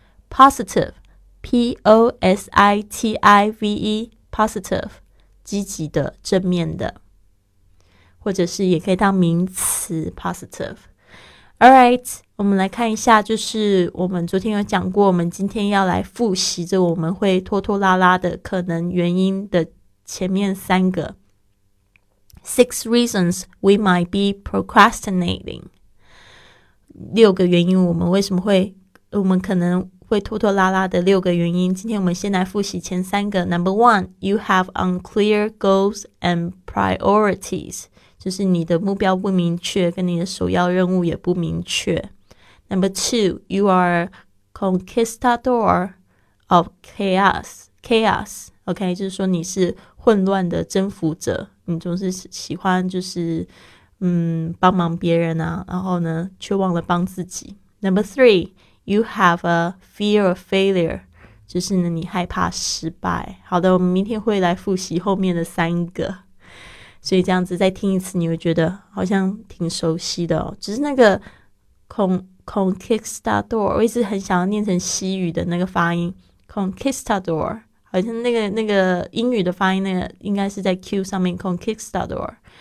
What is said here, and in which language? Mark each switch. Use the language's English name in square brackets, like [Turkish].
[Chinese] positiveP-O-S-I-T-I-V-E, positive, 积极的正面的，或者是也可以当名词 positive. Alright, 我们来看一下，就是我们昨天有讲过，我们今天要来复习着我们会拖拖拉拉的可能原因的前面三个。 [English] Six reasons we might be procrastinating. [Chinese] 六个原因我们可能会拖拖拉拉的六个原因，今天我们先来复习前三个。 [English] Number one, you have unclear goals and priorities, [Chinese] 就是你的目标不明确，跟你的首要任务也不明确。 [English] Number two, you are a conquistador of chaos, [Chinese] OK, 就是说你是混乱的征服者，你总是喜欢就是帮忙别人啊，然后呢却忘了帮自己。 [English] Number three,You have a fear of failure, [Chinese] 就是呢你害怕失败。好的，我们明天会来复习后面的三个，所以这样子再听一次，你会觉得好像挺熟悉的哦。只是那个 conquistador, 我一直很想要念成西语的那个发音 conquistador, 好像那个英语的发音，那个应该是在 Q 上面 conquistador.